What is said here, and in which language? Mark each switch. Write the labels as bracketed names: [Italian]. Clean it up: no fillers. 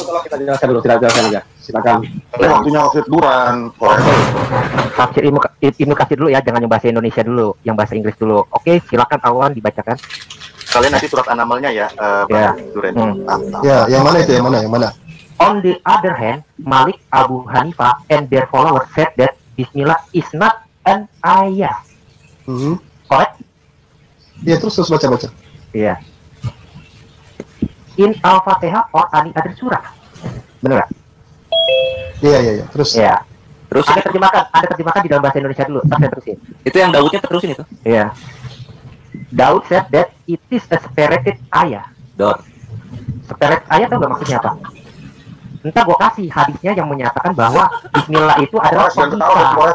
[Indonesian] Kalau kita jelaskan dulu, silakan. Ini waktunya Ustadz Duran. Tafsir Ibnu Katsir dulu ya, jangan yang bahasa Indonesia dulu, yang bahasa Inggris dulu. Oke, silakan awalan dibacakan. Kalian nanti surat An-Naml-nya ya, Pak ya. Duran. Ya, yang mana itu, yang mana? [English] On the other hand, Malik, Abu Hanifah, and their followers said that Bismillah is not an ayah. Correct? [Indonesian] Ya, terus baca-baca. Iya. [English] In Al-Fatihah or any other surah. [Indonesian] Benar gak? Iya, terus. Iya. Terus. Ada terjemahkan di dalam bahasa Indonesia dulu. Tapi terusin. Itu yang Daudnya terusin itu. Iya. [English] Daud said that it is a spirited ayah. [Indonesian] Daud. [English] Spirited ayah [Indonesian] tau gak maksudnya apa? Entah gue kasih hadisnya yang menyatakan bahwa Bismillah itu adalah pemisah.